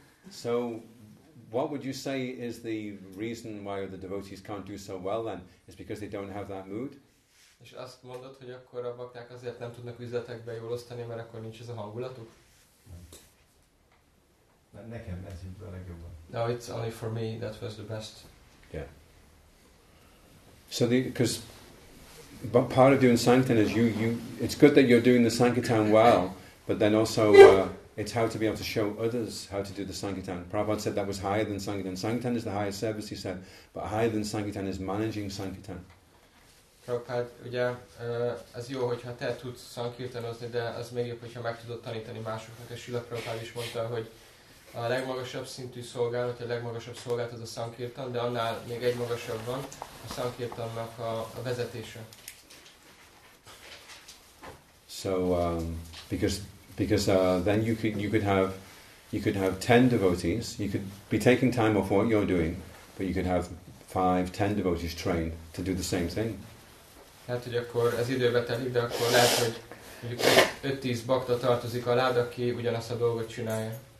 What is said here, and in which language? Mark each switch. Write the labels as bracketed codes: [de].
[en] So, what would you say is the reason why the devotees can't do so well then? It's because they don't have that mood? [hu] És azt mondod, hogy akkor a bakták azért nem tudnak üzletekbe jól osztani, mert akkor nincs ez a hangulatuk? Nem. Nekem ez jött be a legjobban. [en] No, it's only for me, that was the best. Yeah. So because part of doing sankirtan is you, it's good that you're doing the sankirtan well, but then also it's how to be able to show others how to do the sankirtan. Prabhupada said that was higher than sankirtan. Sankirtan is the highest service, he said, but higher than sankirtan is managing sankirtan. [hu] Prabhupada, ugye ez jó, hogyha te tudsz szankirtanozni, de az még jobb, hogyha meg tudod tanítani másoknak. És Srila Prabhupada is mondta, hogy a legmagasabb szintű szolgálat, a legmagasabb szolgálat az a szankirtan, de annál még egy magasabb van, a szankirtannak a vezetése. [en] So, because then you could have 10 devotees, you could be taking time off what you're doing, but you could have 5-10 devotees trained to do the same thing. [hu] Hát, hogy akkor ez időbe telik, de akkor lehet, hogy mondjuk 5-10 bakta tartozik alá, aki ugyanazt a dolgot csinálja.